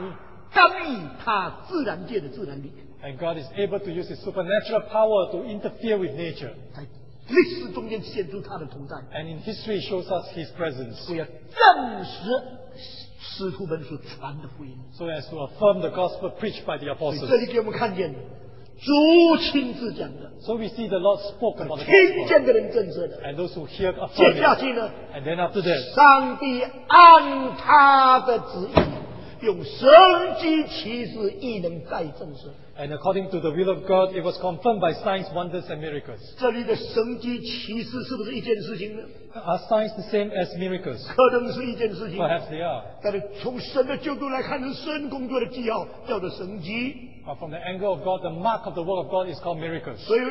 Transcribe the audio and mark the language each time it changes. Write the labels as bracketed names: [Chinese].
[Chinese] 神真正有超自然的大能干预他自然界的自然力。 [English] And God is able to use his supernatural power to interfere with nature. [Chinese] 历史中间显出他的同在, [English] and in history shows us his presence. [Chinese] 为了证实使徒们所传的福音, [English] so as to affirm the gospel preached by the apostles. [Chinese] 这里给我们看见, 主亲自讲的, [English] so we see the Lord spoke about the gospel. [Chinese] 听见的人证实的, [English] and those who hear affirm it. [Chinese] 接下去呢, [English] and then after that, [Chinese] 上帝按他的旨意, 用神迹奇事异能再证实。 [English] And according to the will of God, it was confirmed by signs, wonders, and miracles. [Chinese] 这里的神迹奇事是不是一件事情呢? [English] Are signs the same as miracles? [Chinese] 可能是一件事情, [English] perhaps they are. [Chinese] 但是从神的角度来看是神工作的记号叫做神迹。 [English] But from the angle of God, the mark of the work of God is called miracles.